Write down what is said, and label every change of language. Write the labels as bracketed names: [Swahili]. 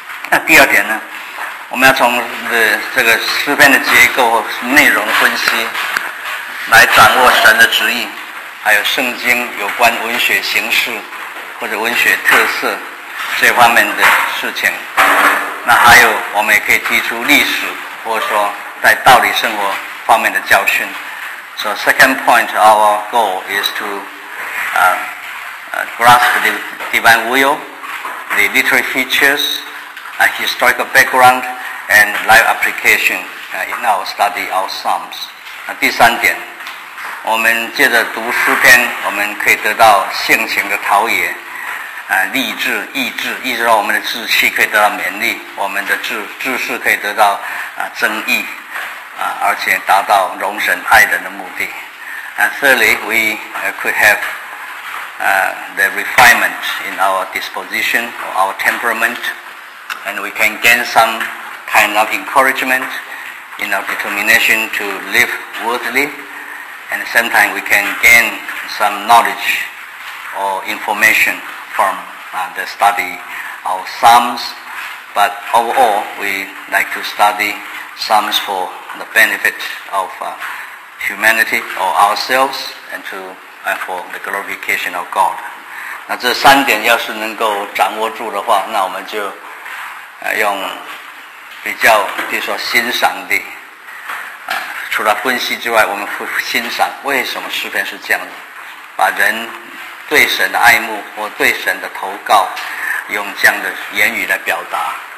[Chinese] 那第二点呢，我们要从这个诗篇的结构内容分析来掌握神的旨意，还有圣经有关文学形式或者文学特色这方面的事情。那还有我们也可以提出历史或者说在道理生活方面的教训。 [English] So second point, our goal is to grasp the divine will, the literary featuresa historical background and life application in our study of Psalms。 [Chinese] 那第三点，我们借着读诗篇，我们可以得到性情的陶冶，励志、意志，意志到我们的志气可以得到勉励，我们的知识可以得到增益，而且达到容神爱人的目的。 [English] Thirdly, we could have the refinement in our disposition or our temperamentAnd we can gain some kind of encouragement in our determination to live worthily. And sometimes we can gain some knowledge or information from the study of Psalms. But overall, we like to study Psalms for the benefit of humanity or ourselves and to, for the glorification of God. [Chinese] 那这三点要是能够掌握住的话，那我们就用比较，比如说欣赏的，除了分析之外，我们会欣赏为什么诗篇是这样的，把人对神的爱慕或对神的投靠用这样的言语来表达。